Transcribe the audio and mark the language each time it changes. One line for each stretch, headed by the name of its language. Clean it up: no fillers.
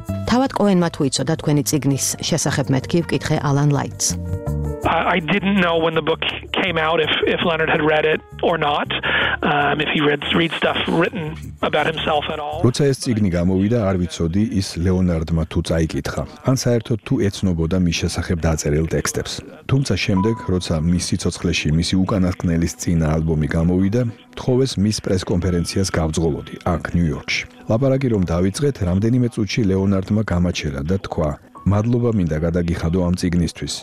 Georgian: თავად კოენმა თუ იცოდა თქვენი წიგნის შესახებ მეთქი, ვკითხე ალან ლაიტს.
English: I didn't know when the book came out if Leonard had read it or not. If he read stuff written about himself at all.
Georgian: როცა ეს წიგნი გამოვიდა, არ ვიცოდი ის ლეონარდმა თუ წაიკითხა. ან საერთოდ თუ ეცნობოდა მის შესახებ დაწერილ ტექსტებს. თუმცა შემდეგ, როცა მისი ცოცხლეში მისი უკანასკნელი წინა ალბომი გამოვიდა, თხოვეს მის პრეს კონფერენციას გავძღოლოდი აქ ნიუ-იორკში. ლაპარაკი რომ დავიწყეთ, რამდენიმე წუთში ლეონარდმა გამაჩერა და თქვა: მადლობა მინდა გადაგიხადო ამ წიგნისთვის.